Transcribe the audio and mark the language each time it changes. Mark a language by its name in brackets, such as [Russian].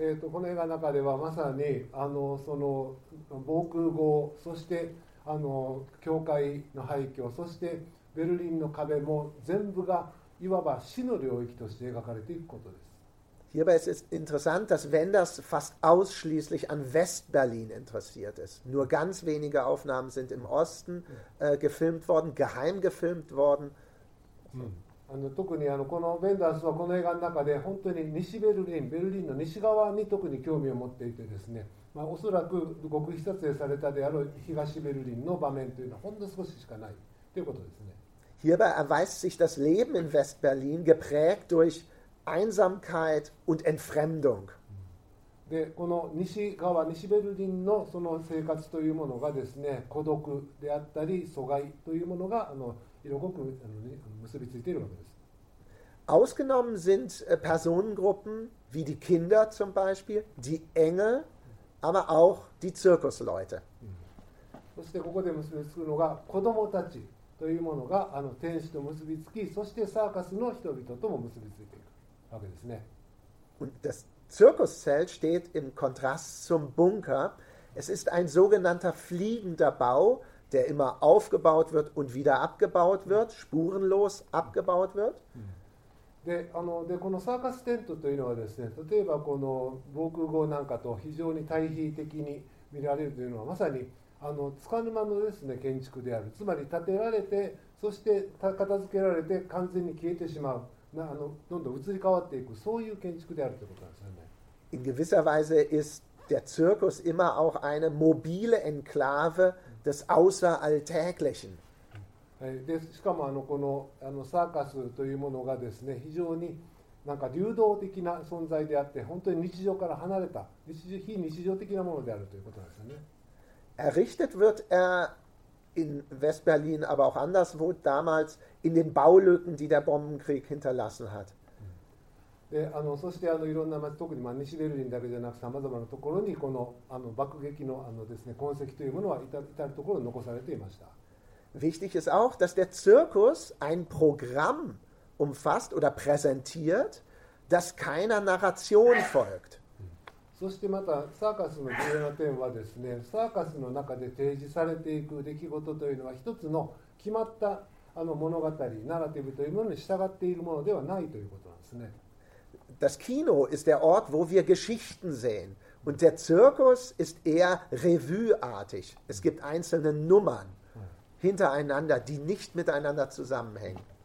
[Japanese] この映画の中ではまさにその防空壕、そして教会の廃墟、そしてベルリンの壁も全部がいわば死の領域として描かれていくことです。 [German] Hierbei ist es interessant, dass Wenders fast ausschließlich an West-Berlin interessiert ist. Nur ganz wenige Aufnahmen sind im Osten gefilmt worden, geheim gefilmt worden. [Japanese] 特にこのベンダースはこの映画の中で本当に西ベルリン、ベルリンの西側に特に興味を持っていてですね、まあ、おそらく極秘撮影されたである東ベルリンの場面というのはほんの少ししかないということですね。 [German] Hierbei erweist sich das Leben in West-Berlin geprägt durch Einsamkeit und Entfremdung. [Japanese] でこの西側、西ベルリンのその生活というものがですね、孤独であったり疎外というものが色濃く結びついているわけです。 [German] Ausgenommen sind Personengruppen wie die Kinder zum Beispiel, die Engel, aber auch die Zirkusleute. Und das Zirkuszelt steht im Kontrast zum Bunker. Es ist ein sogenannter fliegender Bau, der immer aufgebaut wird und wieder abgebaut wird, spurenlos abgebaut wird. [Japanese] で、このサーカステントというのはですね、例えばこの防空壕なんかと非常に対比的に見られるというのは、まさにあの束の間のですね、建築である。つまり建てられて、そして片付けられて完全に消えてしまう。どんどん移り変わっていく、そういう建築であるということなんですよね。 [German] In gewisser Weise ist der Zirkus immer auch eine mobile Enklave des Außeralltäglichen. [Japanese] でしかもあのサーカスというものがですね非常になんか流動的な存在であって本当に日常から離れた非日常的なものであるということですよね。 [German] Errichtet wird in West-Berlin, aber auch anderswo damals in den Baulücken, die der Bombenkrieg hinterlassen hat. [Japanese] でそしていろんな町特に西ベルリンだけじゃなくさまざまなところにこの爆撃のですね痕跡というものは至るところに残されていました。 [German] Wichtig ist auch, dass der Zirkus ein Programm umfasst oder präsentiert, das keiner Narration folgt. [Japanese] そしてまたサーカスの重要な点はですね、サーカスの中で提示されていく出来事というのは一つの決まった物語、ナラティブというものに従っているものではないということなんですね。 [German] Das Kino ist der Ort, wo wir Geschichten sehen. Und der Zirkus ist eher revueartig. Es gibt einzelne Nummern. Hintereinander, die nicht miteinander zusammenhängen.